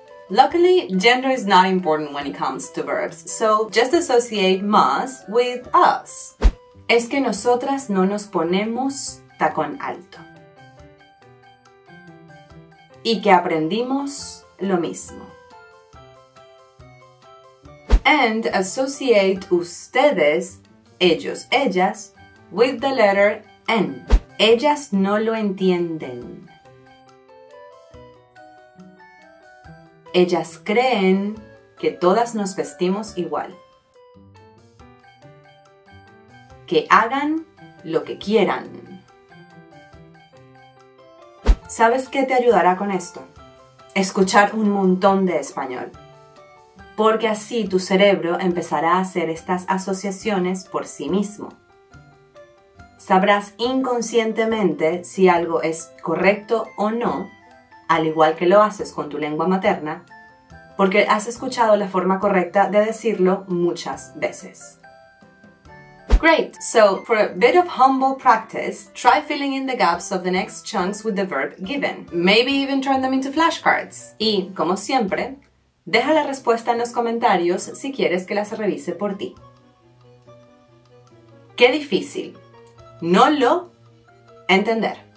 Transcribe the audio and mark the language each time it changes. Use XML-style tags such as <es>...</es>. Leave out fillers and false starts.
<en>Luckily, gender is not important when it comes to verbs, so just associate más with us.</en> <es>Es que nosotras no nos ponemos tacón alto. Y que aprendimos lo mismo.</es> <en>And associate ustedes, ellos, ellas, with the letter N.</en> <es>Ellas no lo entienden. Ellas creen que todas nos vestimos igual. Que hagan lo que quieran. ¿Sabes qué te ayudará con esto? Escuchar un montón de español. Porque así tu cerebro empezará a hacer estas asociaciones por sí mismo. Sabrás inconscientemente si algo es correcto o no, al igual que lo haces con tu lengua materna, porque has escuchado la forma correcta de decirlo muchas veces.</es> <en>Great! So, for a bit of humble practice, try filling in the gaps of the next chunks with the verb given. Maybe even turn them into flashcards.</en> <es>Y, como siempre, deja la respuesta en los comentarios si quieres que las revise por ti. ¡Qué difícil! No lo entender.</es>